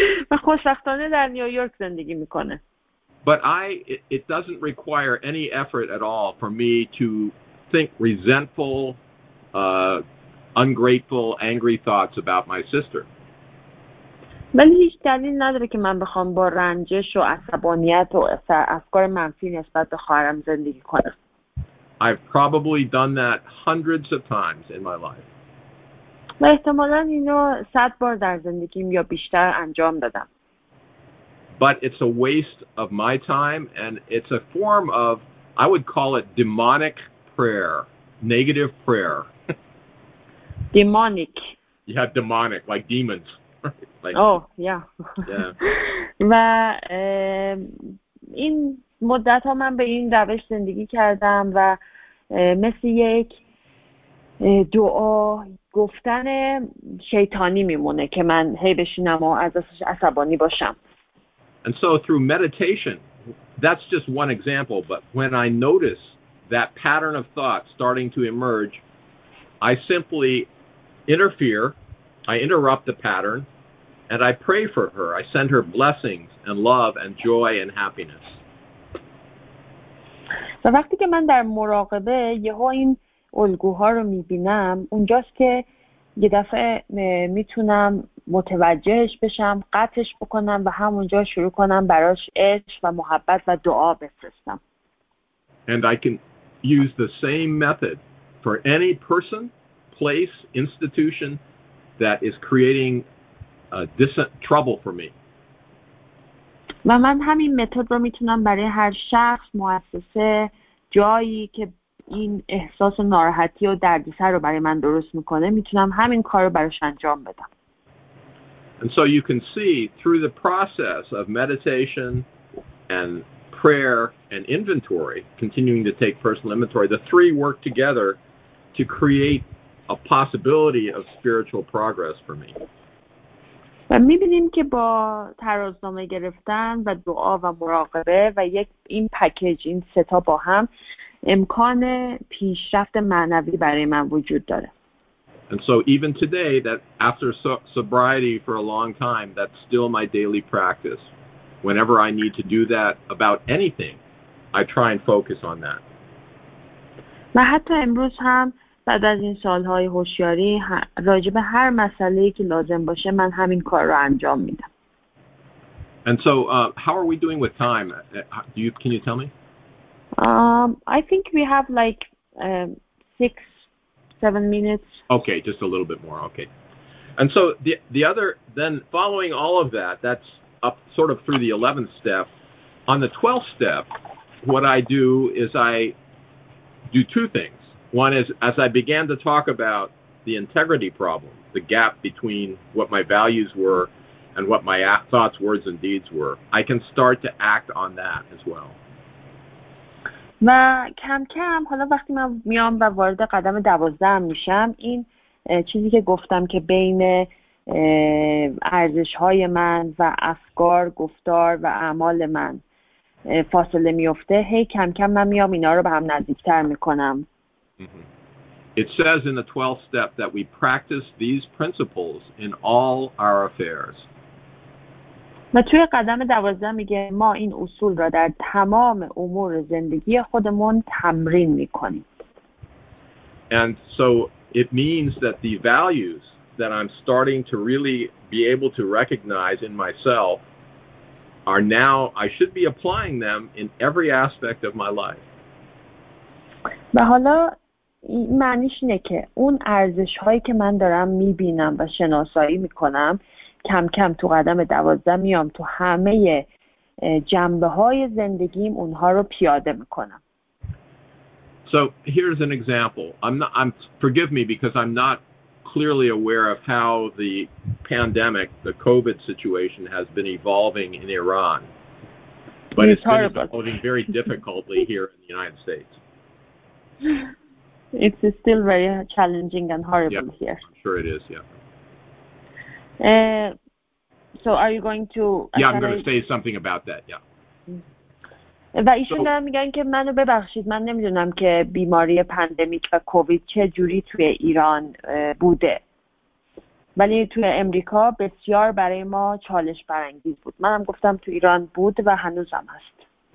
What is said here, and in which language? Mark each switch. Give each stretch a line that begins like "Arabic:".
Persian: و خوشبختانه در نیویورک زندگی میکنه.
English: But it doesn't require any effort at all for me to think resentful, ungrateful, angry thoughts about my sister.
Persian: ولی هیچ دلیل نداره که من بخوام با رنجش و عصبانیت و افکار منفی نسبت به خواهرم زندگی کنم.
English: I've probably done that hundreds of times in my life.
Persian: و احتمالاً اینو صد بار در زندگیم یا بیشتر انجام دادم.
English: But it's a waste of my time, and it's a form of, I would call it demonic prayer, negative prayer. Demonic. You have demonic, like demons. Like, oh, yeah. Yeah.
Persian: و این مدت ها من به این روش زندگی کردم و مثل یک دعا گفتن شیطانی میمونه که من هی بشینم و از دستش عصبانی باشم.
English: And so through meditation, that's just one example, but when I notice that pattern of thought starting to emerge, I simply interfere, I interrupt the pattern, and I pray for her. I send her blessings and love and joy and happiness.
Persian: و وقتی که من در مراقبه یهو این الگوها رو میبینم، اونجاست که یه دفعه میتونم متوجهش بشم، قطعش بکنم و همونجا شروع کنم براش عشق و محبت و دعا بفرستم.
English: And I can use the same method for any person, place, institution that is creating trouble for me.
Persian: و من همین متد رو میتونم برای هر شخص، مؤسسه، جایی که این احساس ناراحتی و دردسر رو برای من درست میکنه، میتونم همین کار رو براش انجام بدم.
English: And so you can see through the process of meditation and prayer and inventory, continuing to take personal inventory, the three work together to create a possibility of spiritual progress for me.
Persian: و میبینیم که با ترازنامه گرفتن و دعا و مراقبه و یک این پکیج، این ستا با هم، امکان پیشرفت معنوی برای من وجود داره.
English: And so even today, that after sobriety for a long time, that's still my daily practice. Whenever I need to do that about anything, I try and focus on that.
Persian: و حتی امروز هم بعد از این سالهای هوشیاری راجع به هر مسئله‌ای که لازم باشه من همین کار رو انجام میدم.
English: And so how are we doing with time? Can you tell me? I think we have like 6-7 minutes. Okay, just a little bit more. Okay. And so the other, then following all of that, that's up sort of through the 11th step. On the 12th step, what I do is I do two things. One is, as I began to talk about the integrity problem, the gap between what my values were and what my thoughts, words, and deeds were, I can start to act on that as well.
Persian: و کم کم حالا وقتی من میام و وارد قدم 12 میشم، این چیزی که گفتم که بین ارزش‌های من و افکار، گفتار و اعمال من فاصله میفته، هی کم کم من میام اینا رو به هم نزدیکتر میکنم.
English: It says in the 12th step that we practice these principles in all our affairs.
Persian: ما توی قدم 12 میگه ما این اصول را در تمام امور زندگی خودمون تمرین میکنیم.
English: And so it means that the values that I'm starting to really be able to recognize in myself are now, I should be applying them in every aspect of my life.
Persian: و حالا معنیش اینه که اون ارزش هایی که من دارم میبینم و شناسایی میکنم، کم کم تو قدم 12 میام تو همه جنبه‌های زندگیم اونها رو پیاده می‌کنم.
English: So here's an example. Forgive me because I'm not clearly aware of how the pandemic, the COVID situation has been evolving in Iran. But it's been evolving very difficultly here in the United States. It's still very challenging and horrible here. I'm sure it is, yeah. So are you going to... Yeah, I'm going to say something about that, yeah.
Persian: و ایشون دارن میگن که منو ببخشید من نمیدونم که بیماری پندمیک و کووید چه جوری توی ایران بوده ولی توی امریکا بسیار برای ما چالش برانگیز بود منم گفتم توی ایران بود و هنوزم هست